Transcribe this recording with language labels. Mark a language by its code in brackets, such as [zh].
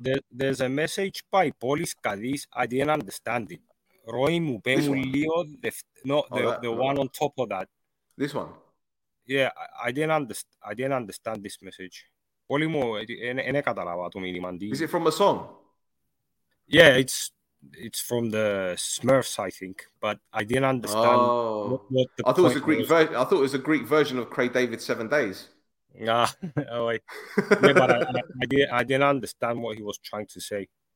[en] There's a message by Polis Kadis. I didn't understand it. Roy Mubemu Leo, one on top of that. This one. Yeah, I didn't understand this message. [el] Πολύ μου, δεν καταλάβα το μήνυμα. [en] Is it from a song? Yeah, it's from the Smurfs, I think. But I didn't understand. I thought it was a Greek version of Craig David's 7 Days. Nah, yeah, but I didn't understand what he was trying to say.